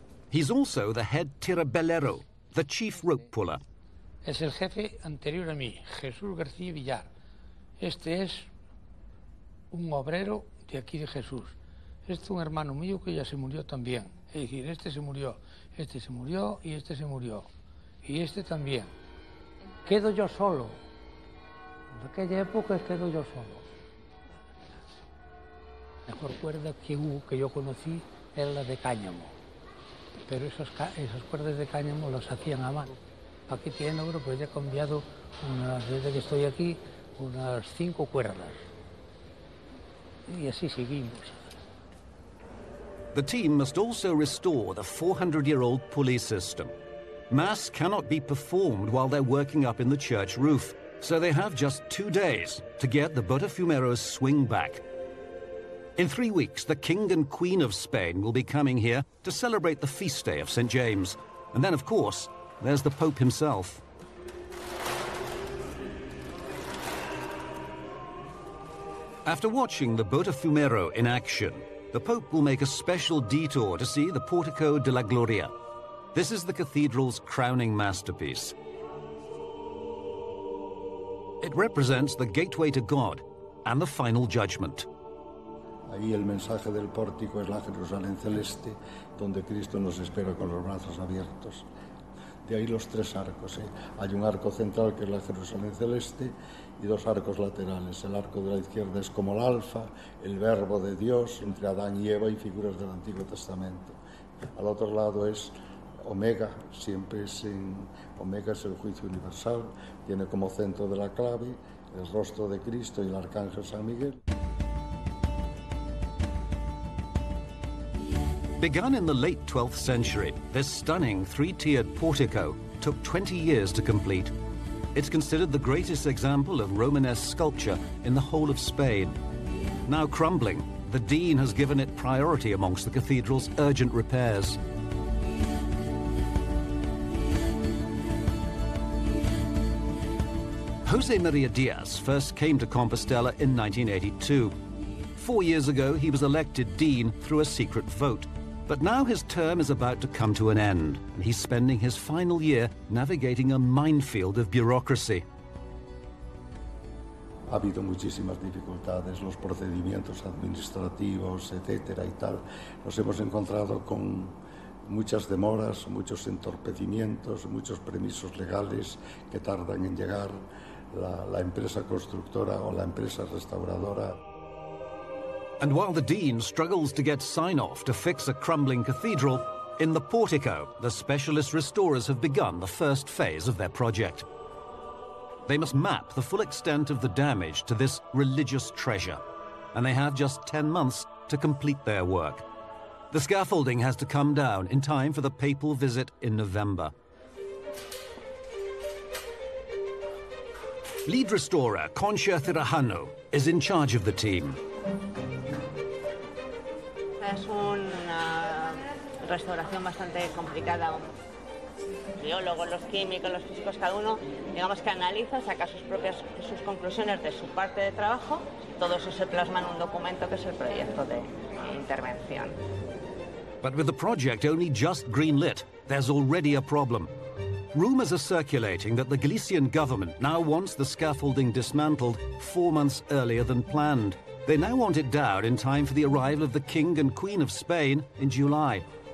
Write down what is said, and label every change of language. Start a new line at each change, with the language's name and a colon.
English: He's also the head tirabelero, the chief rope puller.
Spanish: Es el jefe anterior a mí, Jesús García Villar. Este es un obrero de aquí de Jesús. Este es un hermano mío que ya se murió también. Es decir, este se murió y este se murió. Y este también. Quedo yo solo. De aquella época quedo yo solo. Mejor cuerda que hubo, que yo conocí, era la de cáñamo. Pero esas cuerdas de cáñamo las hacían a mano. aquí tienen ahora, pues ya he cambiado, desde que estoy aquí, unas 5 cuerdas. Y así seguimos.
English: The team must also restore the 400-year-old pulley system. Mass cannot be performed while they're working up in the church roof, so they have just 2 days to get the Botafumeiro's swing back. In 3 weeks, the King and Queen of Spain will be coming here to celebrate the feast day of St. James. And then, of course, there's the Pope himself. After watching the Botafumeiro in action, the Pope will make a special detour to see the Portico de la Gloria. This is the cathedral's crowning masterpiece. It represents the gateway to God and the final judgment.
Spanish: Ahí el mensaje del pórtico es la Jerusalén celeste, donde Cristo nos espera con los brazos abiertos. De ahí los tres arcos, ¿eh? Hay un arco central que es la Jerusalén celeste y dos arcos laterales. El arco de la izquierda es como el Alfa, el Verbo de Dios entre Adán y Eva y figuras del Antiguo Testamento. Al otro lado es Omega, siempre es en Omega, es el juicio universal, tiene como centro de la clave el rostro de Cristo y el arcángel San Miguel.
English: Begun in the late 12th century, this stunning three-tiered portico took 20 years to complete. It's considered the greatest example of Romanesque sculpture in the whole of Spain. Now crumbling, the dean has given it priority amongst the cathedral's urgent repairs. José María Díaz first came to Compostela in 1982. 4 years ago, he was elected dean through a secret vote. But now his term is about to come to an end, and he's spending his final year navigating a minefield of bureaucracy.
Spanish: Ha habido muchísimas dificultades, los procedimientos administrativos, etcétera y tal. Nos hemos encontrado con muchas demoras, muchos entorpecimientos, muchos permisos legales que tardan en llegar la empresa constructora o la empresa restauradora.
English: And while the dean struggles to get sign-off to fix a crumbling cathedral, in the portico, the specialist restorers have begun the first phase of their project. They must map the full extent of the damage to this religious treasure, and they have just 10 months to complete their work. The scaffolding has to come down in time for the papal visit in November. Lead restorer Concha Cirajano is in charge of the team.
Spanish: Es una restauración bastante complicada. Biólogos, los químicos, los físicos, cada uno, digamos que analiza, saca sus propias sus conclusiones de su parte de trabajo. Todo eso se plasma en un documento que es el proyecto de intervención.
English: But with the project only just greenlit, there's already a problem. Rumors are circulating that the Galician government now wants the scaffolding dismantled 4 months earlier than planned. They now want it down in time for the arrival of the King and Queen of Spain in July.